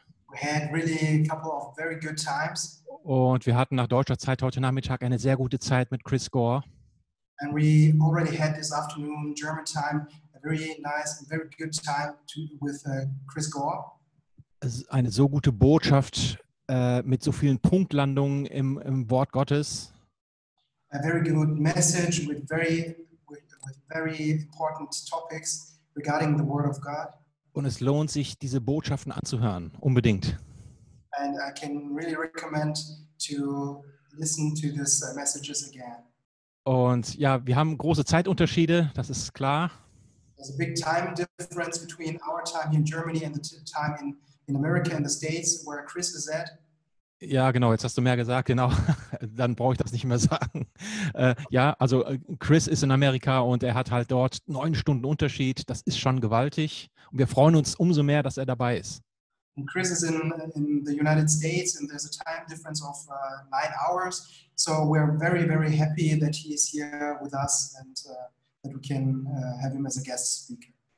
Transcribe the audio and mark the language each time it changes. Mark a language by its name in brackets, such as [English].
[English] We had really a couple of very good times. [German] Und wir hatten nach deutscher Zeit heute Nachmittag eine sehr gute Zeit mit Chris Gore. [English] And we already had this afternoon German time. Very nice, very good time with Chris Gore. [German] Eine so gute Botschaft mit so vielen Punktlandungen im Wort Gottes. [English] A very good message with very important topics regarding the Word of God. [German] Und es lohnt sich, diese Botschaften anzuhören, unbedingt. [English] And I can really recommend to listen to these messages again. [German] Und ja, wir haben große Zeitunterschiede, das ist klar. [English] There's a big time difference between our time in Germany and the time in America and the States, where Chris is at. [German] Ja, genau, jetzt hast du mehr gesagt, genau. Dann brauche ich das nicht mehr sagen. Ja, also Chris ist in Amerika und er hat halt dort 9 Stunden Unterschied. Das ist schon gewaltig. Und wir freuen uns umso mehr, dass er dabei ist. [English] And Chris is in the United States and there's a time difference of 9 hours. So we're very, very happy that he is here with us and that we can have him as a guest speaker.